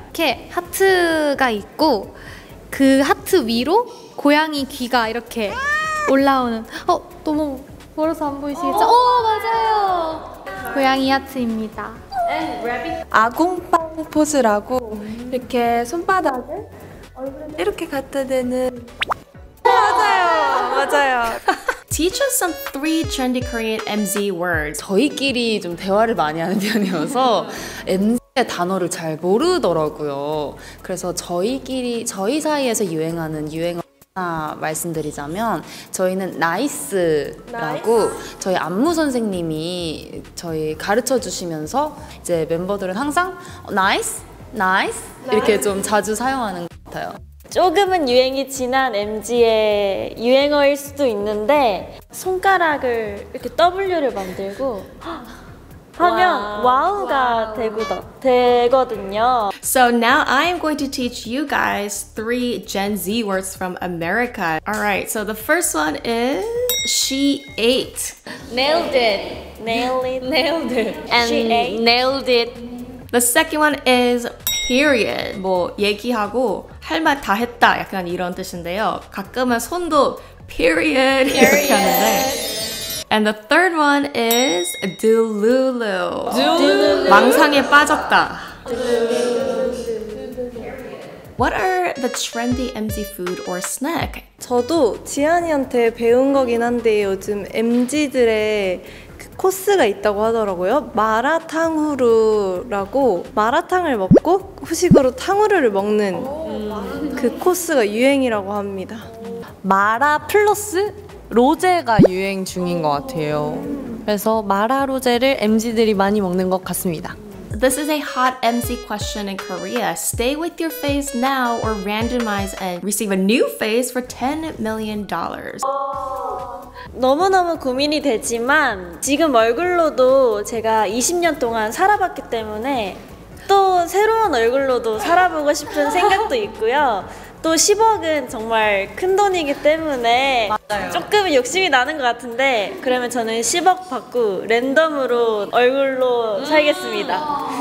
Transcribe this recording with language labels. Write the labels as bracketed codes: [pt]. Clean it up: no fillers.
[ko] 이렇게 하트가 있고 그 하트 위로 고양이 귀가 이렇게 올라오는 너무 멀어서 안 보이시겠죠? 맞아요! 고양이 하트입니다. 아궁빵 포즈라고 이렇게 손바닥을 이렇게 갖다 대는 맞아요! [en] Teach us some three trendy Korean MZ words. [ko] 저희끼리 좀 대화를 많이 하는 편이어서 MZ의 단어를 잘 모르더라고요. 그래서 저희 사이에서 유행하는 유행어 하나 말씀드리자면 저희는 나이스라고 저희 안무 선생님이 저희 가르쳐 주시면서 이제 멤버들은 항상 나이스 이렇게 좀 자주 사용하는 것 같아요. 조금은 유행이 지난 MZ의 유행어일 수도 있는데 손가락을 이렇게 W를 만들고 하면 와우가 되거든요. [en] So now I'm going to teach you guys three Gen Z words from America. All right, so the first one is she ate. Nailed it. Nailed it. And she ate. Nailed it. The second one is period. [ko] 뭐 얘기하고 할 말 다 했다 약간 이런 뜻인데요. 가끔은 손도 period 이렇게 하는데. [en] And the third one is Delulu. Delulu. [ko] 망상에 빠졌다. [en] What are the trendy MZ food or snack? [ko] 저도 지안이한테 배운 거긴 한데 요즘 MZ들의 그 코스가 있다고 하더라고요. 마라탕후루라고 마라탕을 먹고 후식으로 탕후루를 먹는 그 코스가 유행이라고 합니다. 마라 플러스 로제가 유행 중인 것 같아요. 그래서 마라 로제를 MZ들이 많이 먹는 것 같습니다. [en] This is a hot MZ question in Korea. Stay with your phase now or randomize and receive a new phase for $10 million. [ko] 너무너무 고민이 되지만 지금 얼굴로도 제가 20년 동안 살아봤기 때문에 또 새로운 얼굴로도 살아보고 싶은 생각도 있고요. 또 10억은 정말 큰 돈이기 때문에 맞아요. 조금은 욕심이 나는 것 같은데 그러면 저는 10억 받고 랜덤으로 얼굴로 살겠습니다.